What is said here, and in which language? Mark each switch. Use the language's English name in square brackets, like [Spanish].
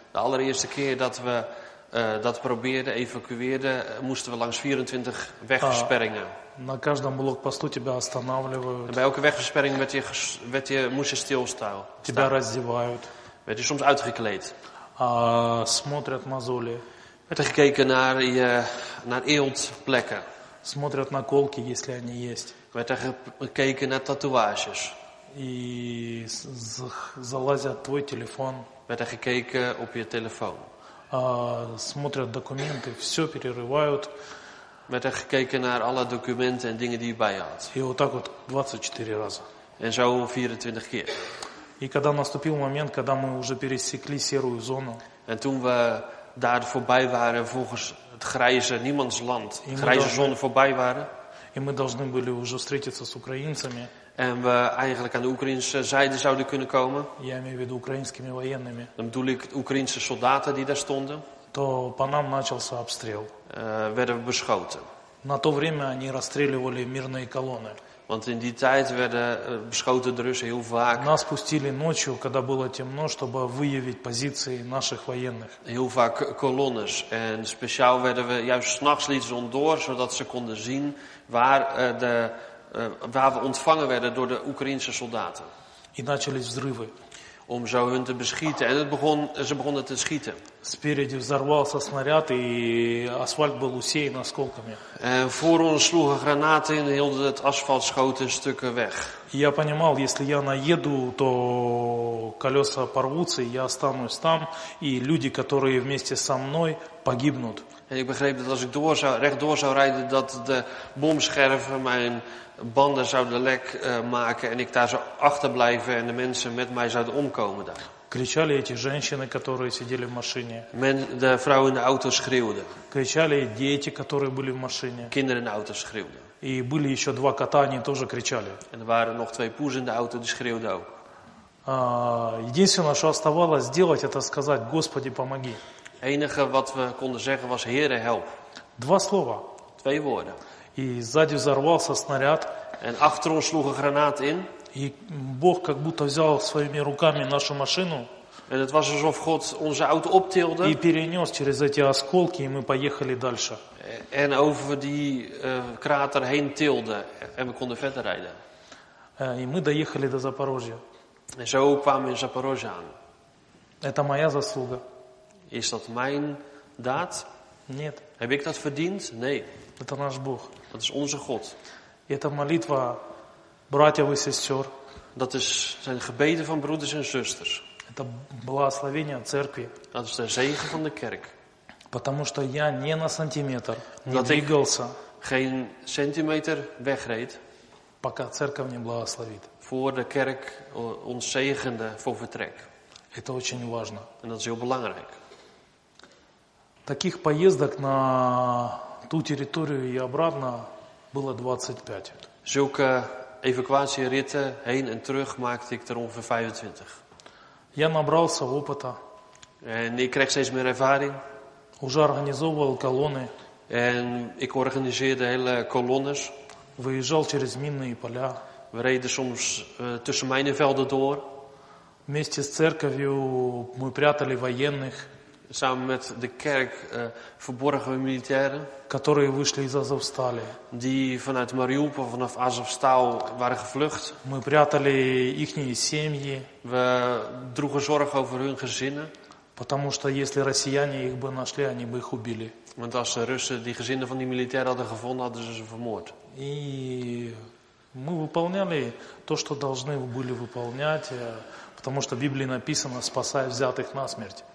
[Dutch] De allereerste keer dat we dat probeerden, evacueerden, moesten we langs 24 wegversperringen. [Russian] На каждом блокпосту тебя останавливают. [Dutch] Bij elke wegversperring moest je stilstaan. [Russian] Тебя раздевают. [Dutch] Werd je soms uitgekleed. [Russian] Смотрят мозоли. [Dutch] Werd gekeken naar eeltplekken. [Russian] Смотрят на колки, если они есть. [Dutch] Werd gekeken naar tatoeages. [Russian] И залазят твой телефон. [Dutch] Werd gekeken op je telefoon. [Russian] Смотрят документы, все перерывают. [Dutch] Werd gekeken naar alle documenten en dingen die je bij had. [Russian] И вот так вот 24 раза. [Dutch] En zo 24 keer. [Russian] И когда наступил момент, когда мы уже пересекли серую зону. [Dutch] En toen we daar voorbij waren volgens het grijze niemandsland, de grijze zone voorbij waren. En we [Russian] должны были уже встретиться с украинцами. [Dutch] En we eigenlijk aan de Oekraïnse zijde zouden kunnen komen. [Russian] Я имею в виду украинскими военными. [Dutch] Dan bedoel ik Oekraïnse soldaten die daar stonden. [Russian] То по нам начался обстрел. [Dutch] Werden we beschoten. [Russian] На то время они расстреливали мирные колонны. [Dutch] Want in die tijd werden beschoten de Russen heel vaak. [Russian] Нас пустили ночью, когда было темно, чтобы выявить позиции наших военных. [Dutch] Heel vaak [Russian] колонны. [Dutch] En speciaal werden we juist 's nachts lieten rondoor, zodat ze konden zien waar we ontvangen werden door de Oekraïnse soldaten. [Russian] И начались взрывы. [Dutch] Om zo hun te beschieten. En ze begonnen te schieten. [Russian] Спереди взорвался снаряд, и асфальт был усеян осколками. [Dutch] En voor ons sloegen granaten in, heel het asfalt schoot in stukken weg. [Russian] Я понимал, если я наеду, то колеса порвутся, я останусь там, и люди, которые вместе со мной, погибнут. [Dutch] En ik begreep dat als ik rechtdoor zou rijden, dat de bomscherven mijn banden zouden lek maken en ik daar zou achterblijven en de mensen met mij zouden omkomen daar. [Russian] Кричали эти женщины, которые сидели в машине. [Dutch] Men, de vrouw in de auto schreeuwde. [Russian] Кричали дети, которые были в машине. [Dutch] Kinderen in de auto schreeuwden. [Russian] И были еще два кота, они тоже кричали. [Dutch] En er waren nog twee poes in de auto die schreeuwden ook. [Russian] Единственное, что оставалось сделать, это сказать: Господи, помоги. [Dutch] Enige wat we konden zeggen was: Heere, help. [Russian] Два слова. [Dutch] Twee woorden. [Russian] И сзади взорвался снаряд. [Dutch] En achter ons sloeg een granaat in. [Russian] И Бог как будто взял своими руками нашу машину. [Dutch] En het was alsof God onze auto optilde. [Russian] И перенес через эти осколки, и мы поехали дальше. [Dutch] En over die krater heen tilde. En we konden verder rijden. [Russian] И мы доехали до Запорожья. [Dutch] En zo kwamen we in Zaporozhye aan. [Russian] Это моя заслуга. [Dutch] Is dat mijn daad? [Russian] Нет. [Dutch] Heb ik dat verdiend? Nee. [Russian] Это наш Бог. [Dutch] Dat is onze God. [Russian] Это молитва братьев и сестер. [Dutch] Dat is zijn gebeden van broeders en zusters. [Russian] Это благословение церкви. [Dutch] Dat is de zegen van de kerk. [Russian] Потому что я не на сантиметр не двигался. [Dutch] Geen centimeter wegreed. [Russian] Пока церковь не благословит. [Dutch] Voor de kerk ons zegende voor vertrek. [Russian] Это очень важно. [Dutch] En dat is heel belangrijk. [Russian] Таких поездок на ту территорию и обратно было 25. [Dutch] Zulke evacuatieritten heen en terug maakte ik er ongeveer 25. [Russian] Я набрался опыта. [Dutch] En ik kreeg steeds meer ervaring. [Russian] Уже организовывал колонны. [Dutch] En ik organiseerde hele colonnes. [Russian] Выезжал через минные поля. [Dutch] We reden soms tussen mijnenvelden door. [Russian] Вместе с церковью мы прятали военных. [Dutch] Samen met de kerk verborgen militairen. [Russian] Которые вышли из Азовстали. [Dutch] Die vanuit Mariupol, vanaf Azovstal waren gevlucht. [Russian] Мы прятали ихние семьи. [Dutch] We droegen zorg over hun gezinnen. [Russian] Потому что если россияне их бы нашли, они бы их убили. [Dutch] Want als de Russen die gezinnen van die militairen hadden gevonden, hadden ze ze vermoord. [Russian] И мы выполняли то, что должны были выполнять, потому что в Библии написано: спасай взятых на смерть.